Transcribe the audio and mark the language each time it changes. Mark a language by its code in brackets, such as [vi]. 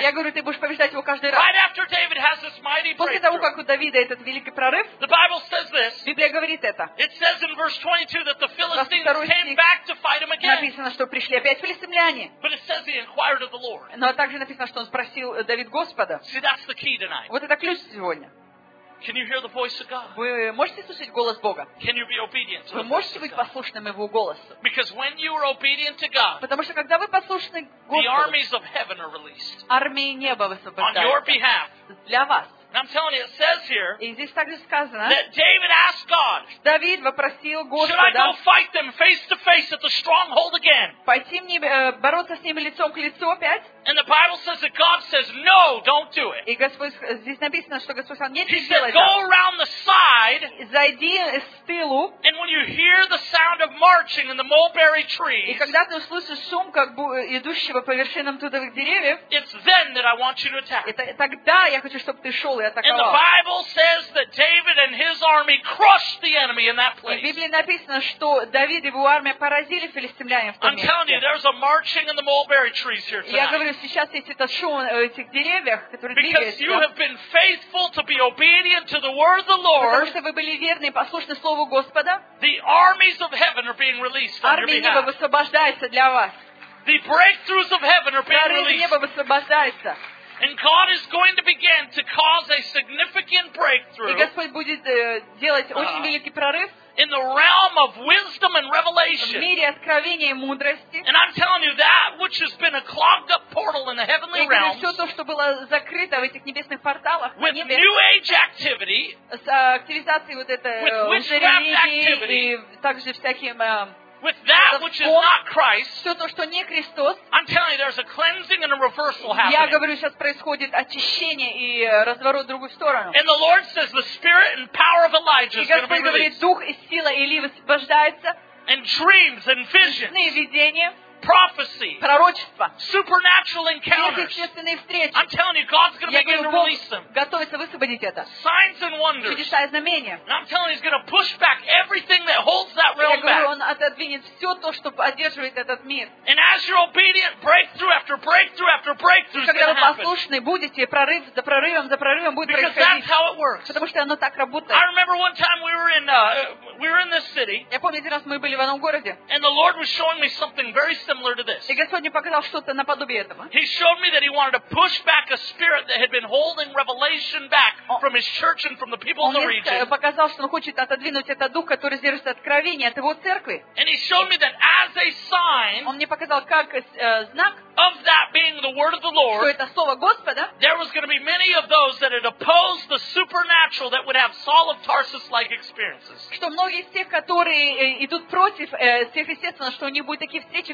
[ru] Я говорю, ты будешь побеждать его каждый раз. [en] Right after David has this mighty breakthrough. [ru] После того, как у Давида этот великий прорыв, [en] the Bible says this. [ru] Библия говорит это. [en] It says in verse 22 that the Philistines came back to fight him again. [ru] Написано, что пришли опять филистимляне. [en] But it says he inquired of the Lord. [ru] Но также написано, что он спросил Давид Господа. [en] See, that's the key tonight. [ru] Вот это ключ сегодня. [en] Can you hear the voice of God? [ru] Вы можете слышать голос Бога? [en] Can you be obedient to [ru] God? Вы можете быть послушным Его голосу? [en] Because when you are obedient to God, [ru] потому что когда вы послушны Господу, [en] the armies of heaven are released. [ru] Армии неба высвобождаются. [en] On your behalf. [ru] Для вас. [en] I'm telling you, it says here. [ru] И здесь также сказано. [en] That David asked God. [ru] Давид вопросил Господа. [en] Should I go fight them face to face at the stronghold again? [ru] Пойти мне бороться с ними лицом к лицу опять? [en] And the Bible says that God says no, don't do it. [ru] И Господь здесь написано, что Господь сказал, нет, не делай. [en] He said, go around the side. [ru] Зайди с тылу. [en] And when you hear the sound of marching in the mulberry trees. [ru] И когда ты услышишь шум как идущего по вершинам тутовых деревьев. [en] It's then that I want you to attack. [ru] Это тогда я хочу, чтобы ты шел. [en] And the Bible says that David and his army crushed the enemy in that place. [ru] В Библии написано, что Давид и его армия поразили филистимлян в том месте. [en] I'm telling you, there's a marching in the mulberry trees here tonight. [ru] Я говорю, сейчас есть этот шум этих деревьях, которые двигаются. [en] Because you have been faithful to be obedient to the word of the Lord. [ru] Потому что вы были верны и послушны слову Господа. [en] The armies of heaven are being released on your behalf. [ru] Армии неба высвобождаются для вас. [en] The breakthroughs of heaven are being released. [ru] Армии неба высвобождаются. [en] And God is going to begin to cause a significant breakthrough. [ru] И Господь будет делать очень великий прорыв. [en] In the realm of wisdom and revelation. [ru] В мире откровения и мудрости. [en] And I'm telling you that which has been a clogged up portal in the heavenly realms. [ru] И все то, что было закрыто в этих небесных порталах. [en] With new age activity. [ru] С активизацией вот этой уже также всяким. [en] With that which is not Christ, [ru] все то, что не Христос, [en] I'm telling you, there's a cleansing and a reversal happening. [ru] Я говорю, сейчас происходит очищение и разворот в другую сторону. [en] And the Lord says the spirit and power of Elijah is going to be released. [ru] И Господь говорит, дух и сила Илии высвобождается. [en] And dreams and visions. [ru] Сны и видения. [en] Prophecy. [ru] Пророчество. [en] Supernatural encounters. [ru] Сверхъестественные встречи. [en] I'm telling you, God's going to begin to release them. [ru] Готовится высвободить это. [en] Signs and wonders. [ru] Чудеса и знамения. [en] And I'm telling you, he's going to push back everything that holds that realm back. [ru] Я говорю, он отодвинет все то, что поддерживает этот мир. [en] And as you're obedient, breakthrough after breakthrough after breakthrough is going to happen. [ru] Когда вы послушны будете, прорыв за прорывом, за прорывом будет [en] Because [ru] происходить. [en] Because that's how it works. [ru] Потому что оно так работает. [en] I remember one time we were in this city. [ru] Я помню, один раз мы были в одном городе. [en] And the Lord was showing me something very similar to this. [ru] И Господь мне показал что-то наподобие этого. [en] He showed me that he wanted to push back a spirit that had been holding revelation back from his church and from the people in the region. [ru] Он мне показал, что он хочет отодвинуть этот дух, который держит откровение от его церкви. [en] And he showed me that as a sign. [ru] Он мне показал как знак. [en] Of that being the word of the Lord. [ru] Что это слово Господа. [en] There was going to be many of those that had opposed the supernatural that would have Saul of Tarsus-like experiences. [ru] Что многие из тех, которые идут против сверхъестественного, что у них будет такие встречи.